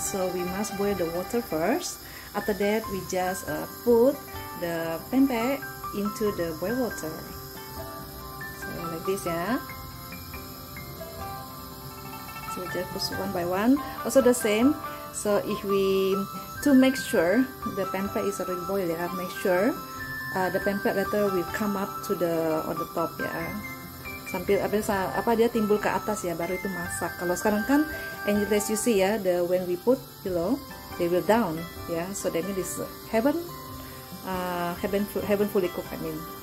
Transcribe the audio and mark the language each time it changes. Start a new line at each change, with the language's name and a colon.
English: So we must boil the water first. After that, we just put the pempek into the boil water. So like this, yeah. So just push one by one. Also the same. So if we to make sure the pempek is already boiled, yeah, make sure the pempek later will come up to the on the top, yeah.
Indonesian: Sampai apa dia timbul ke atas ya, baru itu masak. Kalau sekarang kan,
English: and as you see ya, the when we put below, they will down, ya. Yeah. So that means this haven't fully cooked, I mean.